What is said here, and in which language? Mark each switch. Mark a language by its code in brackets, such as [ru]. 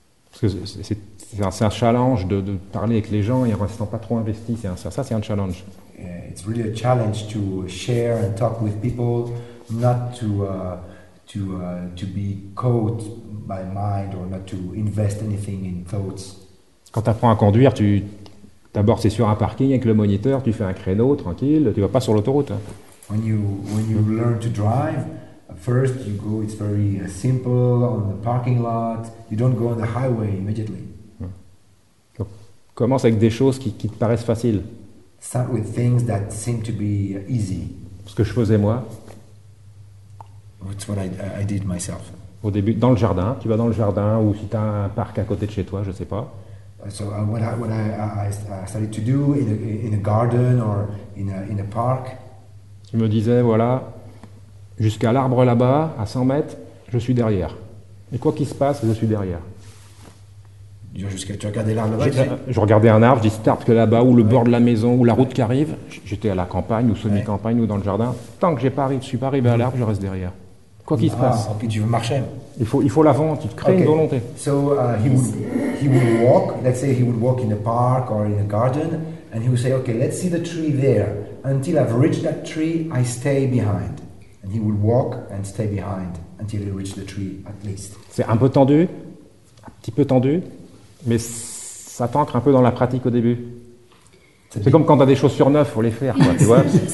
[fr] Parce que c'est un challenge de parler avec les gens et en restant pas trop investi. C'est un challenge. [en] Yeah, it's really a challenge to share and talk with people, not to be caught by mind or not to invest anything in thoughts. [fr] Quand tu apprends à conduire, tu d'abord, c'est sur un parking avec le moniteur, tu fais un créneau tranquille, tu vas pas sur l'autoroute. [en] When you learn to drive, first you go, it's very simple on the parking lot. You don't go on the highway immediately. [fr] Donc, commence avec des choses qui te paraissent faciles. [en] Start with things that seem to be easy. [fr] Ce que je faisais moi. [en] That's what I did myself. [fr] Au début, dans le jardin, tu vas dans le jardin ou si tu as un parc à côté de chez toi, je sais pas. [en] So what I started to do in a garden or in a park. [fr] Je me disais voilà, jusqu'à l'arbre là-bas à 100 mètres, je suis derrière. Et quoi qu'il se passe, je suis derrière. Jusqu'à tu regardais l'arbre là-bas. Je regardais un arbre, je dis start que là-bas ou le bord de la maison ou la route qui arrive. J'étais à la campagne ou semi-campagne ou dans le jardin. Tant que je suis pas arrivé à l'arbre, je reste derrière. Quoi qu'il se passe. Et puis tu veux marcher. Il faut l'avant, tu te crées une volonté. [en] So he would walk. Let's say he would walk in a park or in a garden, and he would say, okay, let's see the tree there. Until I've reached that tree, I stay behind. And he would walk and stay behind until he reached the tree at least. [fr] C'est un peu tendu, un petit peu tendu, mais ça t'ancre un peu dans la pratique au début. C'est comme quand t'as des chaussures neuves, faut les faire, quoi, tu vois.